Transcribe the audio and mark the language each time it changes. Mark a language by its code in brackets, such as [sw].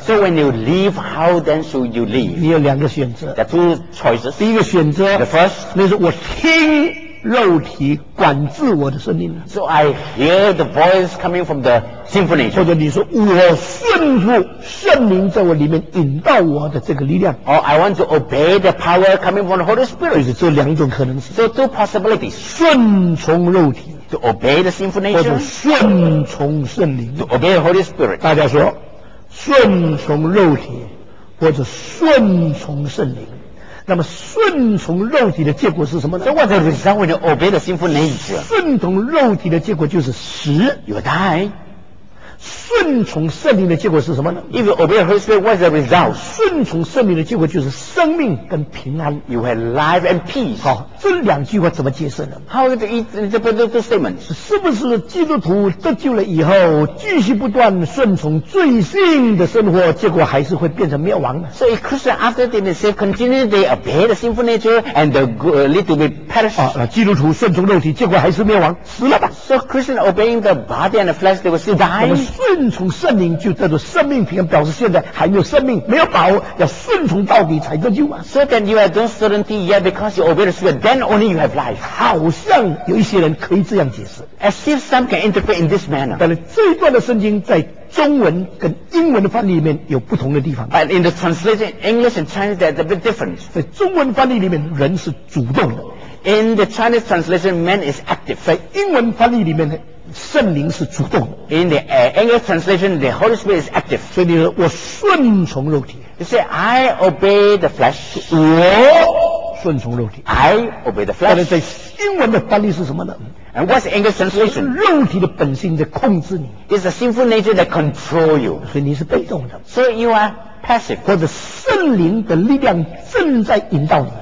[en] So when you leave, how then should you leave? [zh] 你有两个选择。 [en] The two choices. [zh] 第一个选择。 [en] The first. [zh] 那是我听肉体管制我的声音。 [en] So I hear the voice coming from the sinful nature. [zh] 或者你说我顺服圣灵在我里面引导我的这个力量。 [en] Or I want to obey the power coming from the Holy Spirit. [zh] 就是这两种可能性。 [en] So two possibilities. [zh] 顺从肉体。 [en] To obey the sinful nature. [zh] 或者顺从圣灵。 [en] To obey the Holy Spirit. [zh] 大家说。顺从肉体或者顺从圣灵那么顺从肉体的结果是什么呢 [en] So what the result when you obey the sinful nature [zh] 顺从肉体的结果就是死 [en] You die [zh] 顺从圣灵的结果是什么呢？ [en] If you obey the Holy Spirit, what's the result? [zh] 顺从圣灵的结果就是生命跟平安。 [en] You have life and peace. [zh] 好，这两句话怎么解释呢？ [en] How do you interpret those statements? [zh] 是不是基督徒得救了以后继续不断顺从罪性的生活，结果还是会变成灭亡呢？ [en] So a Christian after they are saved continue they obey the sinful nature and the lead to be perished. [zh] 基督徒顺从肉体结果还是灭亡，死了吧。 [en] So Christian obeying the body and the flesh they will still die. [zh] 顺从圣灵就叫做生命平安，表示现在还没有生命，没有把握，要顺从到底才得救啊。 [en] So then you have no certainty yet because you obey the Spirit, then only you have life. [zh] 好像有一些人可以这样解释。 [en] As if some can interpret in this manner. [zh] 但是这一段的圣经在中文跟英文的翻译里面有不同的地方。 [en] But in the translation, English and Chinese, there's a bit difference. [zh] 在中文翻译里面，人是主动的。 [en] In the Chinese translation, man is active. [zh] 在英文翻译里面呢？圣灵是主动的。 [en] In the English translation, the Holy Spirit is active. [zh] 所以你说我顺从肉体。 [en] You say I obey the flesh. [zh] 我顺从肉体。 [en] I obey the flesh. [zh] 但是在英文的翻译是什么呢？ [en] And what's the English translation? [zh] 肉体的本性在控制你。 [en] It's the sinful nature that control you. [zh] 所以你是被动的。 [en] So you are passive. [zh] 或者圣灵的力量正在引导你。